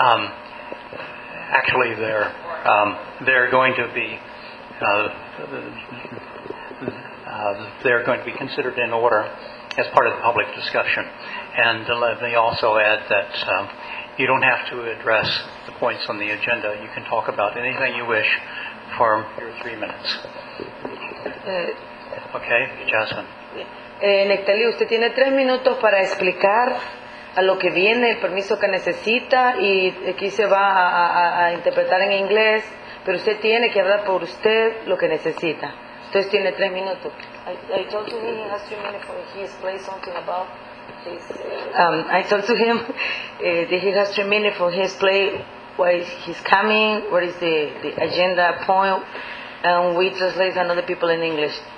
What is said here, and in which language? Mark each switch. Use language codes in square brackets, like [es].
[en] Actually, they're going to be considered in order as part of the public discussion. And let me also add that you don't have to address the points on the agenda. You can talk about anything you wish for your 3 minutes. Okay, Jasmine. [es] Neftali, usted tiene 3 minutos para explicar a lo que viene, el permiso que necesita, y aquí se va a interpretar en inglés, pero usted tiene que hablar por usted lo que necesita. Entonces tiene 3 minutos. [en] I told you he has 3 minutes for he explained something about. I talk to him that he has 3 minutes for his play, why he's coming, what is the agenda point, and we translate another people in English.